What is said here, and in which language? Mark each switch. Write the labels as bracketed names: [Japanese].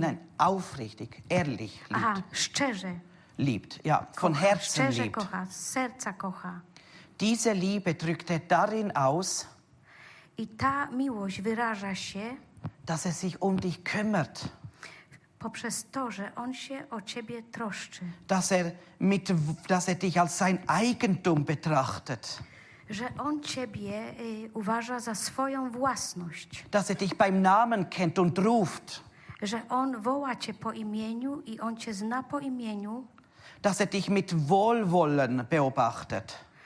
[German] Nein, aufrichtig, ehrlich liebt. [Polish] Aha, szczerze. [German] Liebt, ja, [Polish] kocha, [German] von Herzen [Polish] szczerze [German] liebt. [Polish] Kocha, serca kocha. [German] Diese Liebe drückt er darin aus, [Polish] i ta miłość wyraża się, [German] dass er sich um dich kümmert. [Polish] Poprzez to, że on się o ciebie troszczy. [German] Dass er dich als sein Eigentum betrachtet. [Polish] Że on ciebie uważa za swoją własność. [German] Dass er dich beim Namen kennt und ruft. [Polish] Że on woła cię po imieniu i on cię zna po imieniu. [German] Dass er dich mit Wohlwollen beobachtet.